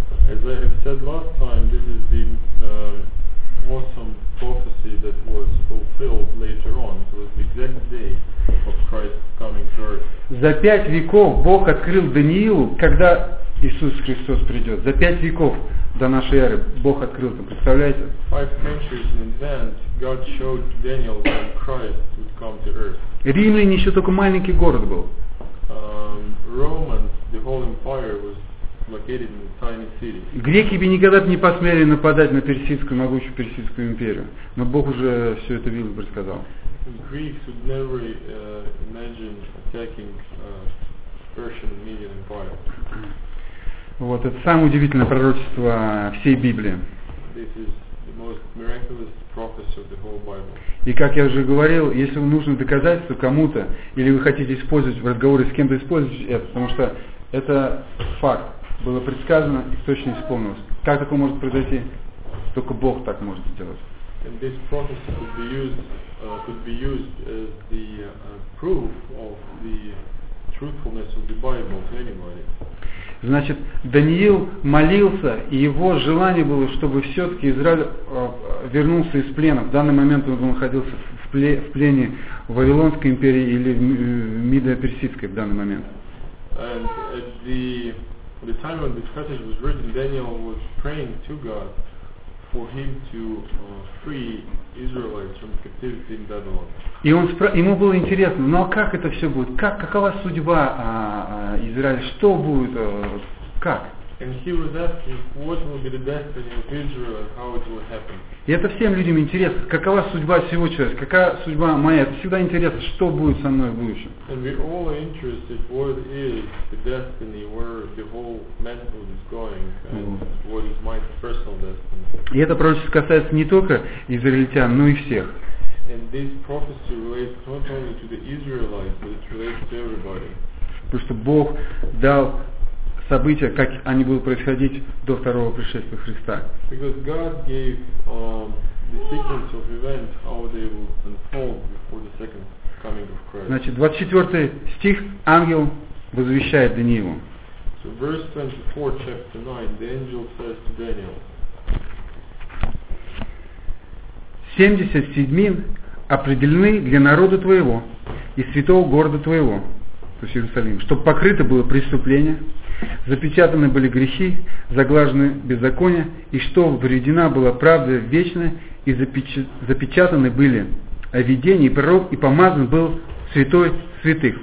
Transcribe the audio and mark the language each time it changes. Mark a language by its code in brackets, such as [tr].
[en] As I have said last time, this is the awesome prophecy that was fulfilled later on. It was the exact day of Christ's coming to earth. [ru] За пять веков Бог открыл Даниилу, когда Иисус Христос придет. За пять веков до нашей эры Бог открыл это. Представляете? [en] Five centuries in advance, God showed Daniel that Christ would come to earth. [ru] Римлян еще только маленький город был. [en] Romans, the whole empire was located in a tiny city. [ru] Греки бы никогда не посмели нападать на персидскую могучую персидскую империю, но Бог уже все это видел и предсказал. [en] Greeks would never imagine attacking Persian Median Empire. [ru] Вот это самое удивительное пророчество всей Библии. [en] This is the most miraculous prophecy of the whole Bible. [ru] И как я уже говорил, если вам нужно доказательство кому-то, или вы хотите использовать в разговоре с кем-то, использовать это, потому что это факт, было предсказано и точно исполнилось. Как такое может произойти? Только Бог так может сделать. [en] And this prophecy could be used as the proof of the truthfulness of the Bible to anybody. [ru] Значит, Даниил молился, и его желание было, чтобы все-таки Израиль вернулся из плена. В данный момент он находился в плене в Вавилонской империи или в Мидо-Персидской в данный момент. [en] And at the time when this passage was written, Daniel was praying to God for him to free Israelites from captivity in Babylon. [ru] И он ему было интересно, ну а как это все будет? Как, какова судьба Израиля? Что будет? Как? [en] And he was asking, what will be the destiny of Israel and how it will happen. [ru] И это всем людям интересно. Какова судьба всего человека? Какая судьба моя? Это всегда интересно, что будет со мной в будущем. [en] And we all are interested, what is the destiny, where the whole manhood is going, and what is my personal destiny. [ru] И это пророчество касается не только израильтян, но и всех. [en] And this prophecy relates not only to the Israelites, but it relates to everybody. [ru] Потому что Бог дал события, как они будут происходить до второго пришествия Христа. [en] Because God gave the sequence of events, how they will unfold before the second coming of Christ. [ru] Значит, 24 стих, ангел возвещает Даниилу. [en] So verse 24, chapter 9, the angel says to Daniel. [ru] 70 седмин определены для народа твоего и святого города твоего, то есть Иерусалим, чтобы покрыто было преступление, запечатаны были грехи, заглажены беззакония, и что вредена была правда вечная, и запечатаны были видения, и пророк, и помазан был святой святых.